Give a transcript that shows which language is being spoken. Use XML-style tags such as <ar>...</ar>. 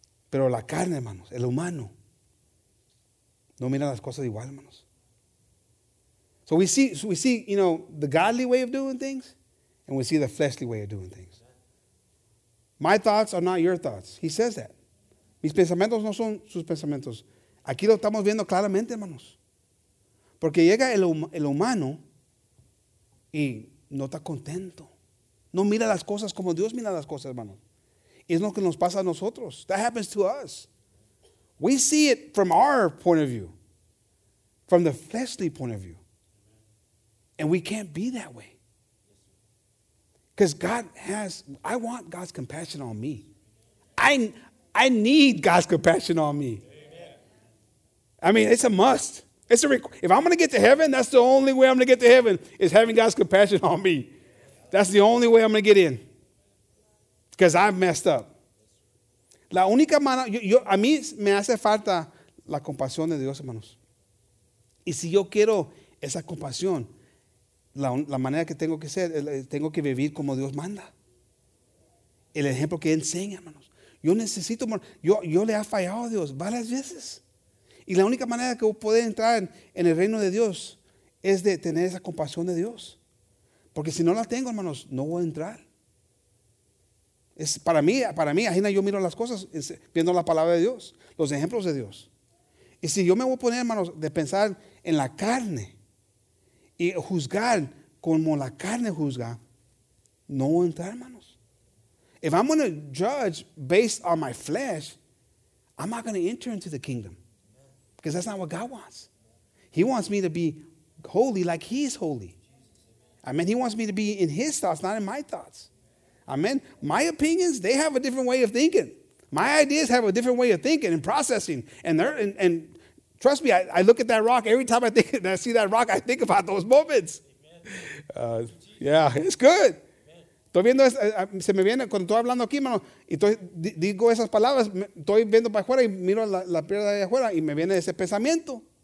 <es>Pero la carne, hermanos, el humano, no mira las cosas igual, hermanos.</es> <en>So we see, you know, the godly way of doing things, and we see the fleshly way of doing things. My thoughts are not your thoughts. He says that.</en> <es>Mis pensamientos no son sus pensamientos. Aquí lo estamos viendo claramente, hermanos. Porque llega el humano y no está contento. No mira las cosas como Dios mira las cosas, hermanos. Es lo que nos pasa a nosotros.</es> <en>That happens to us. We see it from our point of view, from the fleshly point of view. And we can't be that way. Because God has, I want God's compassion on me. I need God's compassion on me. Amen. I mean, it's a must. It's a if I'm going to get to heaven, that's the only way I'm going to get to heaven, is having God's compassion on me. That's the only way I'm going to get in. Because I've messed up. La única manera, a mí me hace falta la compasión de Dios, hermanos. Y si yo quiero esa compasión, la manera que tengo que ser, tengo que vivir como Dios manda. El ejemplo que enseña, hermanos. Yo necesito, yo le he fallado a Dios varias veces. Y la única manera que puedo entrar en el reino de Dios es de tener esa compasión de Dios. Porque si no la tengo, hermanos, no voy a entrar. Es para mí, ajena, yo miro las cosas viendo la palabra de Dios, los ejemplos de Dios. Y si yo me voy a poner, hermanos, de pensar en la carne y juzgar como la carne juzga, no voy a entrar, hermanos. If I'm going to judge based on my flesh, I'm not going to enter into the kingdom. Because that's not what God wants. He wants me to be holy like he is holy. I mean, he wants me to be in his thoughts, not in my thoughts. Amen. My opinions, they have a different way of thinking. My ideas have a different way of thinking and processing. And trust me, I look at that rock every time I think, I see that rock, I think about those moments. Yeah, it's good.</en> <es>Estoy viendo, se me viene, cuando estoy hablando aquí, mano, y digo esas palabras, estoy viendo para afuera y miro la piedra de afuera y me viene ese pensamiento.</es>